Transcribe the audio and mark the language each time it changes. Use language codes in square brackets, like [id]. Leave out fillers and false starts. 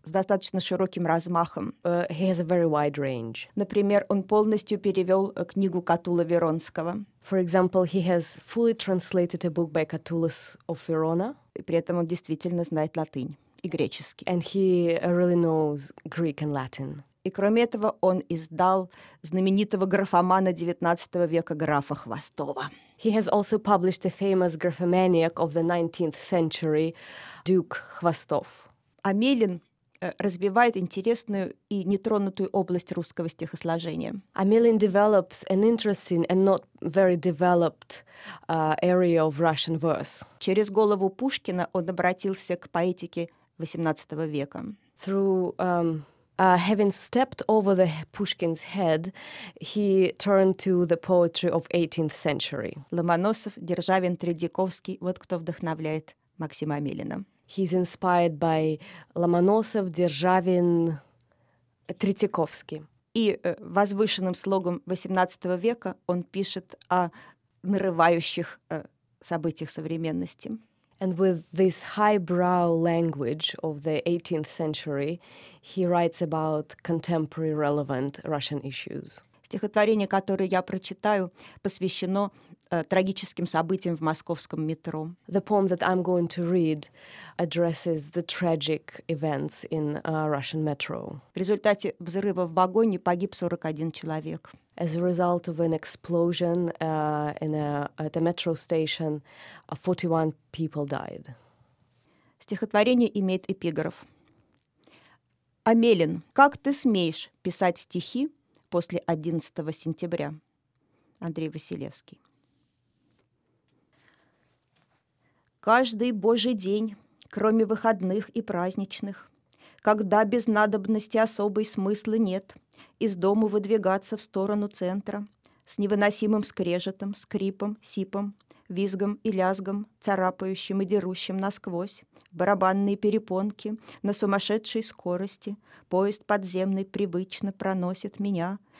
[ru] С достаточно широким размахом. [en] He has a very wide range. [ru] Например, он полностью перевел книгу Катула Веронского. [en] For example, he has fully translated a book by Catullus of Verona. [ru] И при этом он действительно знает латынь и греческий. [en] And he really knows Greek and Latin. [ru] И кроме этого, он издал знаменитого графомана XIX века графа Хвостова. [en] He has also published a famous graphomaniac of the 19th century, Duke Хвостов. [ru] Амелин развивает интересную и нетронутую область русского стихосложения. [en] Амелин develops an interesting and not very developed area of Russian verse. [ru] Через голову Пушкина он обратился к поэтике XVIII века. [en] Through having stepped over the Pushkin's head, he turned to the poetry of 18th century. [ru] Ломоносов, Державин, Третьяковский — вот кто вдохновляет Максима Амелина. [en] He's inspired by Ломоносов, Державин, Третьяковский. [ru] И возвышенным слогом XVIII века он пишет о нарывающих событиях современности. [en] And with this highbrow language of the 18th century, he writes about contemporary relevant Russian issues. [ru] Стихотворение, которое я прочитаю, посвящено трагическим событиям в московском метро. [en] The poem that I'm going to read addresses the tragic events in Russian metro. [ru] В результате взрыва в вагоне погиб 41 человек. [en] As a result of an explosion at a metro station, 41 people died. [ru] Стихотворение имеет эпиграф. Амелин, как ты смеешь писать стихи после 11 сентября? Андрей Василевский. Каждый божий день, кроме выходных и праздничных, когда без надобности особой смысла нет из дому выдвигаться в сторону центра с невыносимым скрежетом, скрипом, сипом, визгом и лязгом, царапающим и дерущим насквозь барабанные перепонки на сумасшедшей скорости, поезд подземный привычно проносит меня